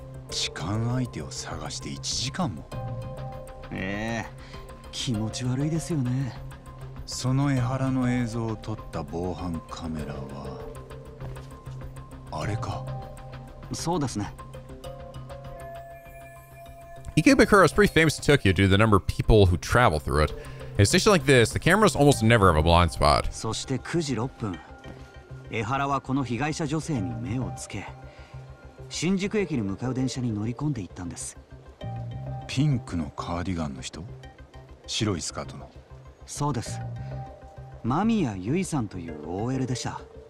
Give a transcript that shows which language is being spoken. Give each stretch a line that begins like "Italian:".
Japanese: 痴漢相手を探して1時間も。ええ、気持ち悪いですよね。その江原の映像を撮った防犯カメラはあれか。そうですね。
English: Ikebukuro is pretty famous in Tokyo due to the number of people who travel through it. In a station like this, the cameras almost never have a blind spot.
Japanese: そして9時6分、江原はこの被害者女性に目をつけ、新宿駅に向かう電車に乗り込んでいったんです。ピンクのカーディガンの人？白いスカートの。そうです。マミヤユイさんという OL でした。